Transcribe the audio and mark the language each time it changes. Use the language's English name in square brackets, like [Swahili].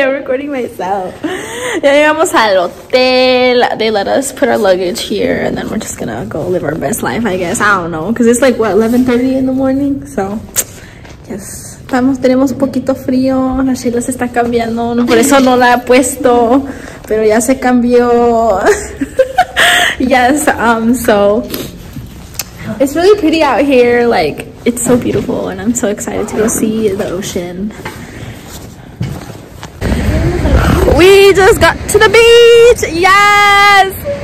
[English] recording myself. [Spanish] Ya llegamos al hotel. [English] They let us put our luggage here, and then we're just gonna go live our best life, I guess. I don't know, because it's like, what, 11:30 in the morning? So, yes. [Spanish] Tenemos un poquito frío, la Sheila se está cambiando, no, por eso no la he puesto, pero ya se cambió. [English] Yes, so it's really pretty out here, like it's so beautiful, and I'm so excited to go see the ocean. We just got to the beach, yes!